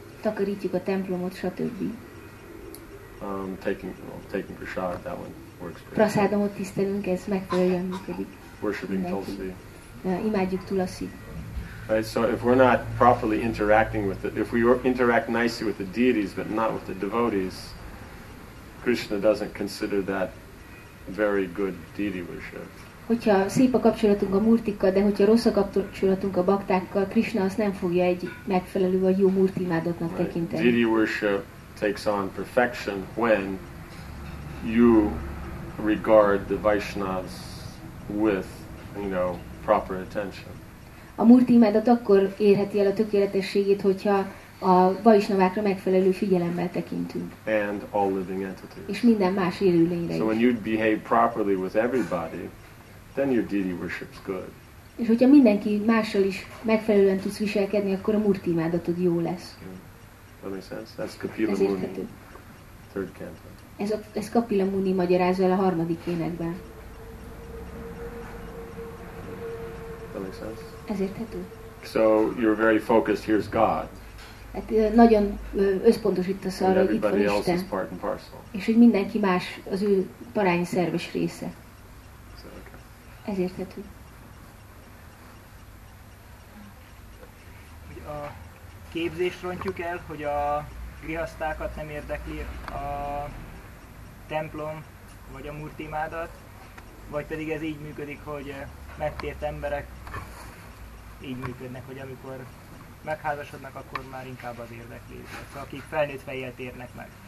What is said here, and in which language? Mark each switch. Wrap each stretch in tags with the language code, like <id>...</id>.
<hu>Takarítjuk a templomot, stb.</hu> <en>Taking prasad, that one works.</en> <hu>Prasadamot tisztelünk, ez megfelelően működik.</hu> <en>Worshiping Tulsi.</en> <hu>Imádjuk Tulasit.</hu> <en>Right, so if we're not properly interacting with it, if we interact nicely with the deities but not with the devotees, Krishna doesn't consider that very good deity worship.</en> <hu>Hogyha szép a kapcsolatunk a murtikkal, de hogyha rossz a kapcsolatunk a baktákkal, Krishna azt nem fogja egy megfelelő vagy jó murti imádatnak tekinteni.</hu> <en>Deity worship takes on perfection when you regard the Vaishnavas with, proper attention.</en> <hu>A murti imádat akkor érheti el a tökéletességét, hogyha a Vaisnavákra megfelelő figyelemmel tekintünk.</hu> <en>And all living entities.</en> <hu>És minden más élőlényre</hu> <en>is. So when you behave properly with everybody, then your deity worship's good.</en> <hu>És hogyha mindenki mással is megfelelően tudsz viselkedni, akkor a murti imádatod jó lesz.</hu> <en>Yeah. That makes sense? That's Kapila Muni, third canto.</en> <hu>Ez Kapila Muni magyarázva el a harmadik énekben.</hu> <en>That makes sense?</en> <hu>Ez érthető?</hu> <en>So you're very focused, here's God.</en> <hu>Hát nagyon összpontosítasz arra, hogy itt van Isten, és hogy mindenki más az ő parányi szerves része.</hu> <en>Okay.</en> <hu>Ez érthető. Hogy a képzést rontjuk el, hogy a grihasztákat nem érdekli a templom, vagy a murti imádat, vagy pedig ez így működik, hogy megtért emberek így működnek, hogy amikor megházasodnak, akkor már inkább az érdeklődés, akik felnőtt fejjel térnek meg.</hu>